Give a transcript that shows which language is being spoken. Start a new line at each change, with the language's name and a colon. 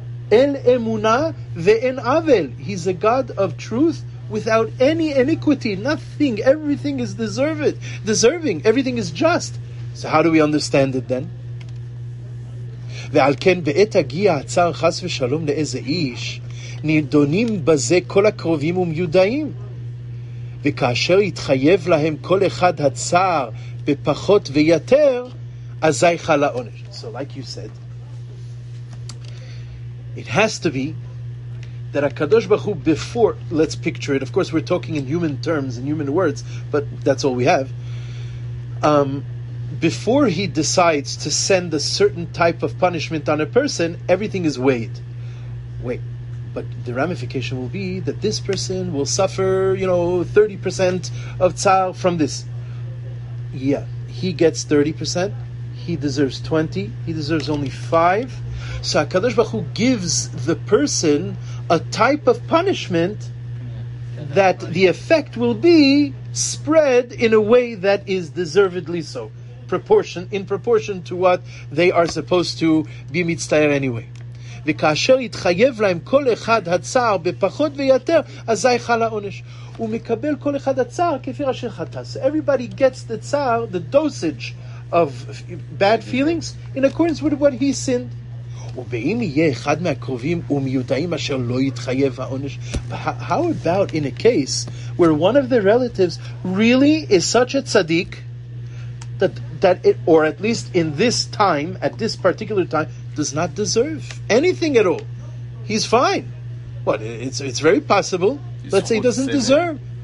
Hebrew: El emuna ve'en avel,
English: he's a God of truth without any iniquity, nothing, everything is deserving, everything is just. So how do we understand it then?
Hebrew: Ve'alken ve'et agiyah hatsar chas v'shalom le'eze ish, נידונים בזה כל הקרובים ומיודעים. וכאשר יתחייב להם כל אחד הצער בפחות ויתר, אזי חל העונש.
English: So like you said, it has to be that HaKadosh Baruch Hu before, let's picture it, of course we're talking in human terms, in human words, but that's all we have. Before he decides to send a certain type of punishment on a person, everything is weighed. Wait. But the ramification will be that this person will suffer, 30% of tzar from this. Yeah, he gets 30%. He deserves 20. He deserves only 5. So HaKadosh Baruch Hu gives the person a type of punishment that the effect will be spread in a way that is deservedly so, in proportion to what they are supposed to be mitztayer anyway.
Hebrew: וכאשר יתחייב להם כל אחד הצער בפחות ויותר, אזי חל העונש. הוא מקבל כל אחד הצער כפי אשר חטא.
English: So everybody gets the tzar, the dosage of bad feelings, in accordance with what he sinned.
Hebrew: ואם יהיה אחד מהקרובים ומיודעים אשר לא יתחייב העונש.
English: How about in a case where one of the relatives really is such a tzaddik that it, or at least in this time, at this particular time, does not deserve anything at all. He's fine. What? It's very possible. Let's say he doesn't deserve.